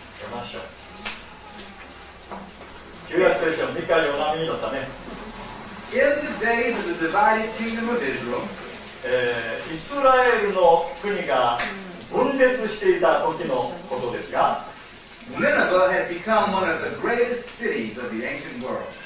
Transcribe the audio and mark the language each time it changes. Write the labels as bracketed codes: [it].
[ja] ヨナ書。旧約聖書ミカヨナミのため。 [en] In the days of the divided kingdom of Israel, [ja] イスラエルの国が分裂していた時のことですが、 [en] Nineveh had become one of the greatest cities of the ancient world.